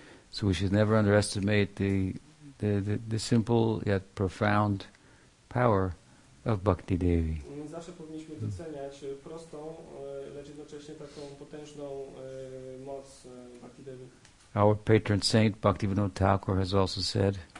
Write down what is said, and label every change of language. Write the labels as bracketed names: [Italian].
[English] So we should never underestimate the simple yet profound power of Bhakti Devi. [Polish] Zawsze powinniśmy doceniać prostą, lecz jednocześnie taką potężną moc Bhakti Devi. [English] Our patron saint Bhaktivinoda Thakur has also said,